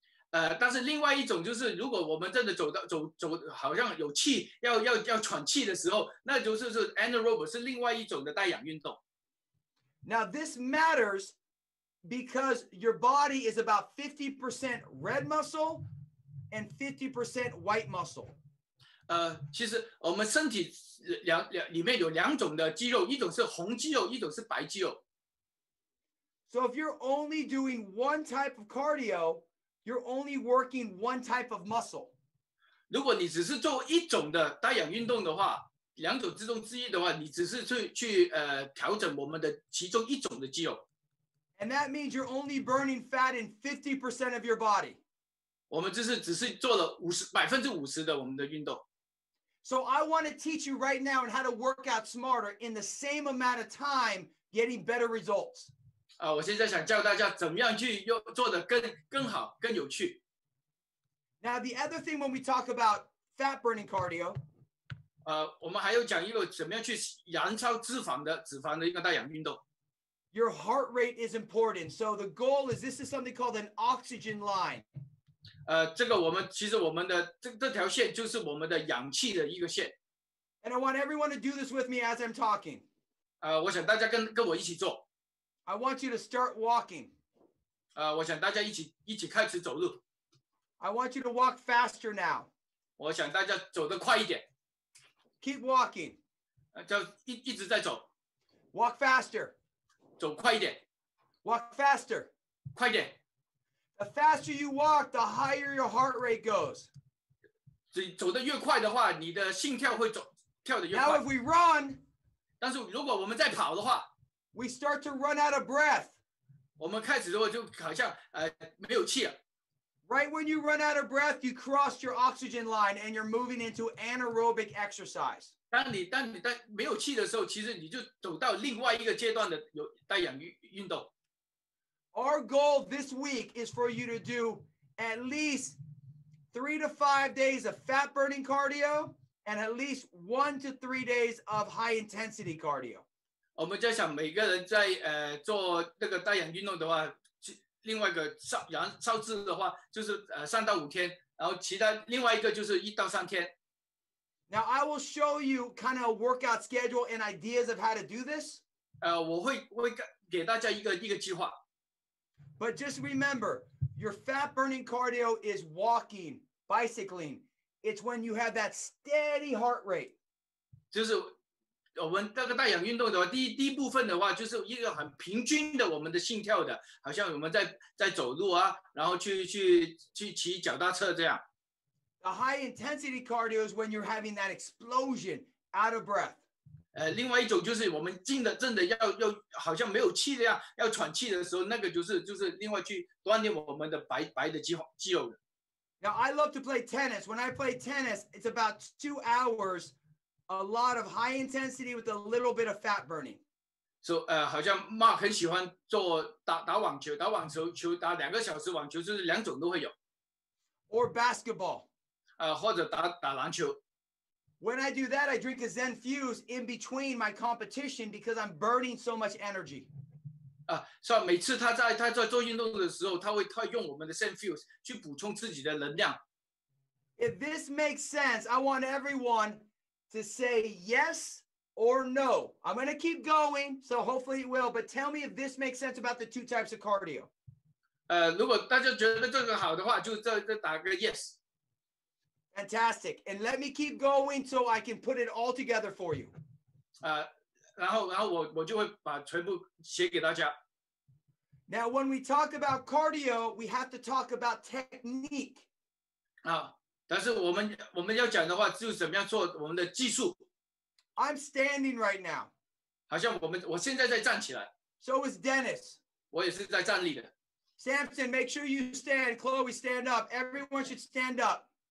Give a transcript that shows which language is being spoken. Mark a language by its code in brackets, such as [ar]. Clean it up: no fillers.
[zh] 但是另外一种就是，如果我们真的走，好像有气要喘气的时候，那就是 anaerobic 是另外一种的带氧运动。 [en] Now this matters because your body is about 50% red muscle and 50% white muscle. [zh] 其实我们身体里面有两种的肌肉，一种是红肌肉，一种是白肌肉。 [en] So if you're only doing one type of cardio. You're only working one type of muscle. [zh] 如果你只是做一种的带氧运动的话，两种之中之一的话，你只是去调整我们的其中一种的肌肉。 [en] And that means you're only burning fat in 50% of your body. [zh] 我们只是做了50%的我们的运动。 [en] So I want to teach you right now on how to work out smarter in the same amount of time, getting better results. [zh] 我现在想教大家怎么样去做得更好更有趣。 [en] Now the other thing when we talk about fat burning cardio, [zh] 我们还要讲一个怎么样去燃烧脂肪的一个带氧运动。 [en] Your heart rate is important. So the goal is this is something called an oxygen line. [zh] 这个我们其实我们的这条线就是我们的氧气的一个线。 [en] And I want everyone to do this with me as I'm talking. [zh] 我想大家跟我一起做。 [en] I want you to start walking. [zh] 我想大家一起开始走路。 [en] I want you to walk faster now. [zh] 我想大家走得快一点。 [en] Keep walking. [zh] 就一直在走。 [en] Walk faster. [zh] 走快一点。 [en] Walk faster. [zh] 快一点。 [en] The faster you walk, the higher your heart rate goes. [zh] 走得越快的话，你的心跳会跳得越快。 [en] Now if we run. [zh] 但是如果我们在跑的话。 [en] We start to run out of breath. [zh] 我们开始的话就好像没有气了。 [en] Right when you run out of breath, you cross your oxygen line and you're moving into anaerobic exercise. [zh] 当你没有气的时候，其实你就走到另外一个阶段的有带氧运动。 [en] Our goal this week is for you to do at least 3 to 5 days of fat burning cardio and at least 1 to 3 days of high intensity cardio. [zh] 我们就想每个人在做那个带氧运动的话，另外一个烧制的话，就是3到5天，然后其他另外一个就是1到3天。 [en] Now I will show you kind of a workout schedule and ideas of how to do this. [zh] 我会给大家一个计划。 [en] But just remember, your fat burning cardio is walking, bicycling. It's when you have that steady heart rate. [zh] 就是我们这个带氧运动的话，第一部分的话，就是一个很平均的我们的心跳的，好像我们在走路啊，然后去骑脚踏车这样。 [en] The high intensity cardio is when you're having that explosion out of breath. [zh] 另外一种就是我们真的要好像没有气的样，要喘气的时候，那个就是另外去锻炼我们的白的肌肉的。 [en] Now I love to play tennis. When I play tennis, it's about 2 hours, a lot of high intensity with a little bit of fat burning. [zh] So, 好像 Mark 很喜欢做打网球，打网球球打2个小时网球，就是两种都会有。 [en] Or basketball. [zh] 或者打篮球。 [en] When I do that, I drink a Zen Fuse in between my competition because I'm burning so much energy. [zh] 所以每次他在做运动的时候，他会用我们的 Zen Fuse 去补充自己的能量。 [en] If this makes sense, I want everyone to say yes or no. I'm going to keep going, so hopefully it will, but tell me if this makes sense about the two types of cardio. [zh] 如果大家觉得这个好的话，就再打个 yes. [en] Fantastic. And let me keep going so I can put it all together for you. [zh] 然后我就会把全部写给大家。 [en] Now, when we talk about cardio, we have to talk about technique. [zh] 但是我们要讲的话，就是怎么样做我们的技术。 [en] I'm standing right now. [zh] 好像我现在在站起来。 [en] So is Dennis. [zh] 我也是在站立的。 [en] Samson, make sure you stand. Chloe, stand up. Everyone should stand up.